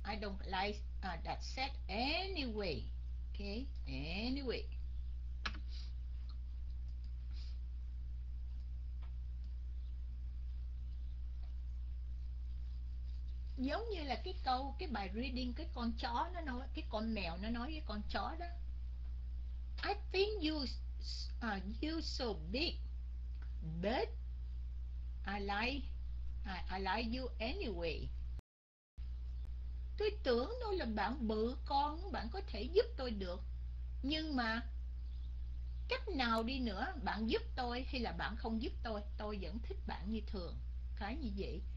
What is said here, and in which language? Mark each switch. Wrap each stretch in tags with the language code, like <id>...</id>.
<en>I don't like that set anyway. Ok, anyway.</en> <vi>Giống như là cái câu, cái bài reading, cái con chó nó nói, cái con mèo nó nói với con chó đó.</vi> <en>I think you so big, but I like you anyway.</en> <vi>Tôi tưởng đâu là bạn bự con, bạn có thể giúp tôi được, nhưng mà cách nào đi nữa, bạn giúp tôi hay là bạn không giúp tôi vẫn thích bạn như thường. Khá như vậy.</vi>